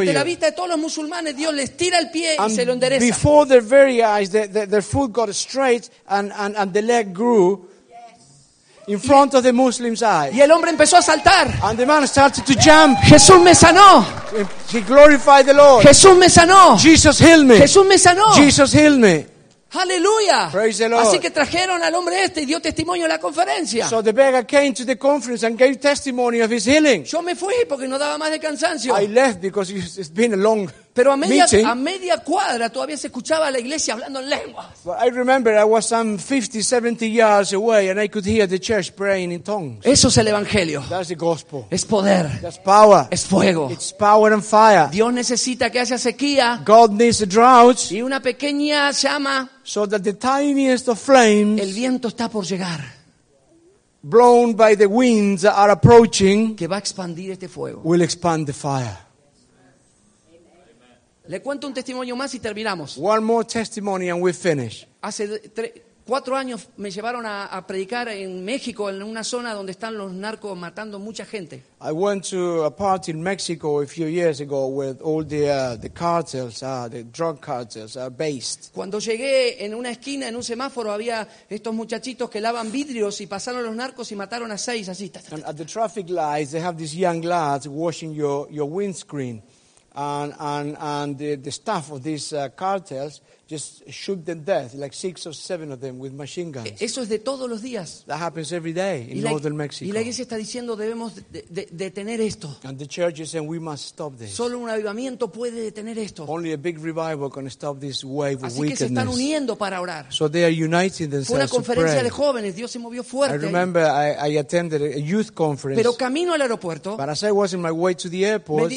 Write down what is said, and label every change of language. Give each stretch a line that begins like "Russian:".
Spanish: Y ante la vista de todos los musulmanes, Dios les tira el pie
English: and
Spanish: y se lo endereza.
English: Before their very eyes, their foot got straight and the leg grew. Yes. in front of the Muslim's eye.
Spanish: Y el hombre empezó a saltar.
English: And the man started to jump.
Spanish: Jesús me sanó.
English: He glorified the Lord.
Spanish: Jesús me sanó.
English: Jesus healed me.
Spanish: Jesús me sanó.
English: Jesus healed me.
Spanish: Aleluya.
English: Praise the Lord.
Spanish: Así que trajeron al hombre este y dio testimonio en la conferencia.
English: So the beggar came to the conference and gave testimony of his healing.
Spanish: Yo me fui porque no daba más de cansancio.
English: I left because it's been a long meeting.
Spanish: Pero a media cuadra todavía se escuchaba a la iglesia hablando en lenguas.
English: But I remember I was some 50, 70 yards away and I could hear the church praying in tongues.
Spanish: Eso es el evangelio.
English: That's the gospel.
Spanish: Es poder.
English: That's power.
Spanish: Es fuego.
English: It's power and fire.
Spanish: Dios necesita que haya sequía.
English: God needs a drought.
Spanish: Y una pequeña llama.
English: So that the tiniest of flames,
Spanish: el viento está por llegar,
English: blown by the winds that are approaching,
Spanish: que va a expandir este fuego,
English: will expand the fire.
Spanish: Le cuento un testimonio más y terminamos.
English: One more testimony and we finish.
Spanish: Hace 4 años me llevaron a predicar en México, en una zona donde están los narcos matando mucha gente.
English: I went to a party in Mexico a few years ago where all the cartels, the drug cartels are based.
Spanish: Cuando llegué en una esquina, en un semáforo, había estos muchachitos que lavan vidrios y pasaron los narcos y mataron a 6 así.
English: And at the traffic lights, they have these young lads washing your windscreen. And the staff of these cartels just shoot them dead, like 6 or 7 of them with machine guns.
Spanish: Eso es de todos los días.
English: That happens every day in northern Mexico.
Spanish: Y la iglesia está diciendo debemos detener esto.
English: And the church is saying we must stop this.
Spanish: Solo un avivamiento puede detener esto.
English: Only a big revival can stop this wave
Spanish: así
English: of wickedness.
Spanish: Así que se están uniendo para orar.
English: So they are uniting themselves.
Spanish: Fue una conferencia de jóvenes. Dios se movió fuerte.
English: I remember I attended a youth conference.
Spanish: Pero camino al aeropuerto.
English: But as I was in my way to the airport.